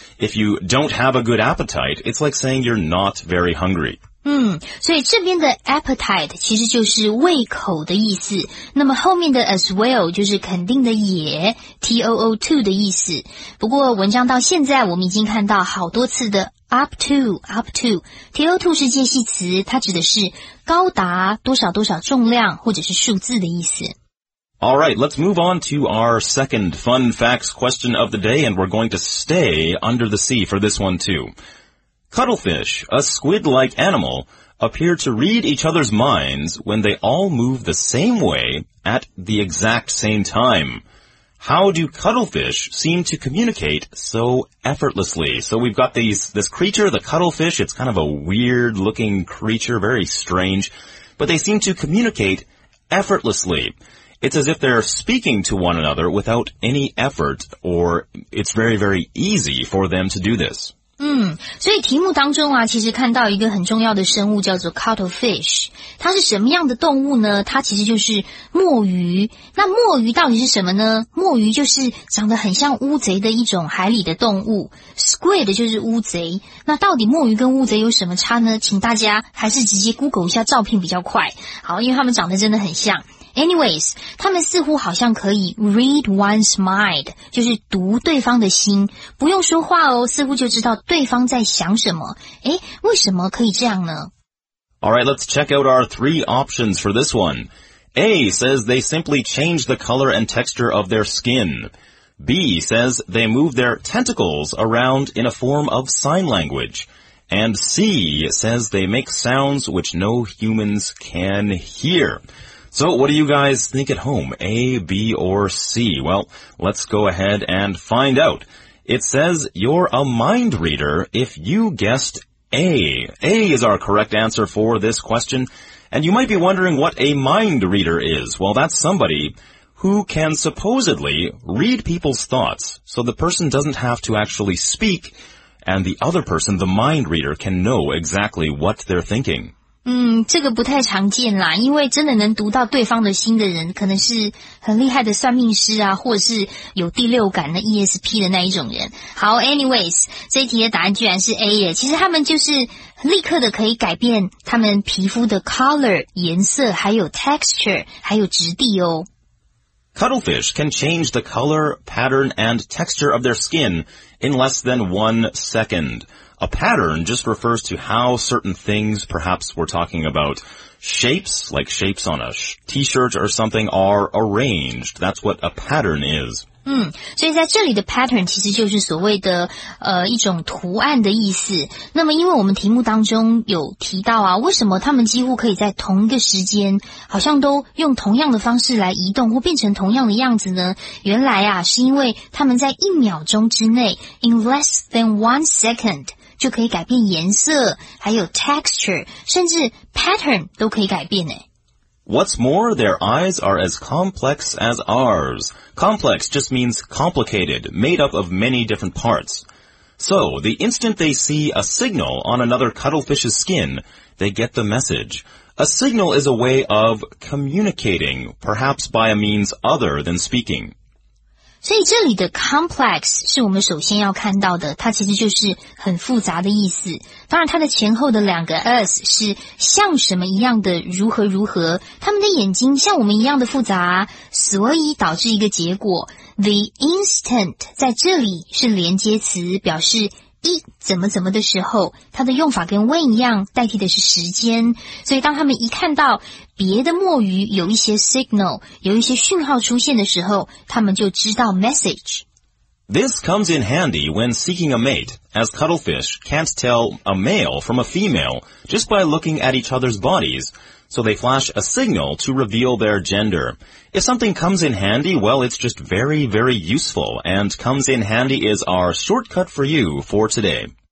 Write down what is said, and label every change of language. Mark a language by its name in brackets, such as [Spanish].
[English] If you don't have a good appetite, it's like saying you're not very hungry. [Chinese] 嗯，所以这边的 appetite 其实就是胃口的意思，那么后面的 [English] as well [Chinese] 就是肯定的也 too to 的意思。不过文章到现在我们已经看到好多次的 [English] up to, [Chinese] too to 是介系词，它指的是高达多少多少重量或者是数字的意思。 [English] Alright, let's move on to our second fun facts question of the day, and we're going to stay under the sea for this one too. Cuttlefish, a squid-like animal, appear to read each other's minds when they all move the same way at the exact same time. How do cuttlefish seem to communicate so effortlessly? So we've got this creature, the cuttlefish. It's kind of a weird-looking creature, very strange, but they seem to communicate effortlessly. It's as if they're speaking to one another without any effort, or it's very, very easy for them to do this. [Chinese] 嗯，所以题目当中啊，其实看到一个很重要的生物叫做 cuttlefish， 它是什么样的动物呢？它其实就是墨鱼。那墨鱼到底是什么呢？墨鱼就是长得很像乌贼的一种海里的动物。 Squid 就是乌贼。那到底墨鱼跟乌贼有什么差呢？请大家还是直接 Google 一下照片比较快。好，因为它们长得真的很像。Anyways, 他们似乎好像可以 [English] read one's mind, [Chinese] 就是读对方的心，不用说话哦，似乎就知道对方在想什么。诶，为什么可以这样呢？ [English] Alright, let's check out our three options for this one. A says they simply change the color and texture of their skin. B says they move their tentacles around in a form of sign language. And C says they make sounds which no humans can hear. So what do you guys think at home, A, B, or C? Well, let's go ahead and find out. It says you're a mind reader if you guessed A. A is our correct answer for this question. And you might be wondering what a mind reader is. Well, that's somebody who can supposedly read people's thoughts so the person doesn't have to actually speak and the other person, the mind reader, can know exactly what they're thinking. [Chinese] 嗯，这个不太常见啦，因为真的能读到对方的心的人可能是很厉害的算命师啊，或者是有第六感的 ESP 的那一种人。好， anyways， 这一题的答案居然是 A 耶。其实他们就是立刻的可以改变他们皮肤的 color 颜色，还有 texture， 还有质地哦。 [English] Cuttlefish can change the color, pattern, and texture of their skin in less than 1 second. A pattern just refers to how certain things, perhaps we're talking about shapes, like shapes on a t-shirt or something, are arranged. That's what a pattern is. [Chinese] 嗯，所以在这里的 pattern 其实就是所谓的一种图案的意思。那么因为我们题目当中有提到啊，为什么他们几乎可以在同一个时间好像都用同样的方式来移动或变成同样的样子呢？原来啊，是因为他们在一秒钟之内 [English] in less than 1 second [Chinese] 就可以改变颜色，还有 texture, 甚至 pattern 都可以改变耶。 [English] What's more, their eyes are as complex as ours. Complex just means complicated, made up of many different parts. So, the instant they see a signal on another cuttlefish's skin, they get the message. A signal is a way of communicating, perhaps by a means other than speaking. [Chinese] 所以这里的 complex 是我们首先要看到的，它其实就是很复杂的意思。当然它的前后的两个 us 是像什么一样的如何如何，他们的眼睛像我们一样的复杂，所以导致一个结果。 [English] The instant [Chinese] 在这里是连接词，表示一怎么怎么的时候，它的用法跟 when 一样，代替的是时间。所以当他们一看到别的墨鱼有一些 signal, 有一些讯号出现的时候，他们就知道 message。 [English] This comes in handy when seeking a mate, as cuttlefish can't tell a male from a female just by looking at each other's bodies, so they flash a signal to reveal their gender. If something comes in handy, well, it's just very, very useful, and comes in handy is our shortcut for you for today.